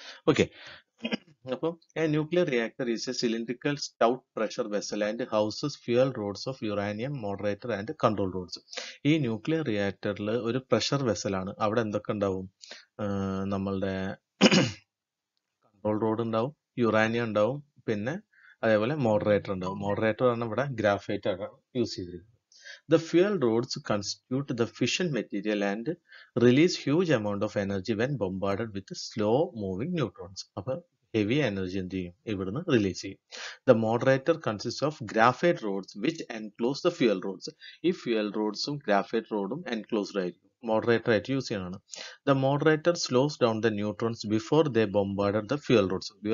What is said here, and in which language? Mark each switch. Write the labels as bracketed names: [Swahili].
[English] Okay, അപ്പം a nuclear reactor is a cylindrical stout pressure vessel and houses fuel rods of uranium moderator and control rods. [Malayalam] ഈ nuclear റിയാക്ടറിൽ ഒരു pressure വെസലാണ്. അവിടെ എന്തൊക്കെ ഉണ്ടാവും, നമ്മളുടെ കൺട്രോൾ റോഡ് ഉണ്ടാവും, യുറാനിയം ഉണ്ടാവും, പിന്നെ അതേപോലെ മോഡറേറ്റർ ഉണ്ടാവും. മോഡറേറ്റർ ആണ് ഇവിടെ ഗ്രാഫൈറ്റ് ആണ് യൂസ് ചെയ്തിരിക്കുന്നത്. [English] The fuel rods constitute the fission material and release huge amount of energy when bombarded with slow moving neutrons. [Malayalam] അപ്പോൾ ഹെവി എനർജി എന്ത് ചെയ്യും, ഇവിടുന്ന് റിലീസ് ചെയ്യും. [English] The moderator consist of graphite rods which enclose the fuel rods. [Malayalam] ഈ fuel റോഡ്സും graphite റോഡും enclosed ആയിരിക്കും, moderator ആയിട്ട് use ചെയ്യണം. [English] The moderator slows down the neutrons before the bombard the fuel rods.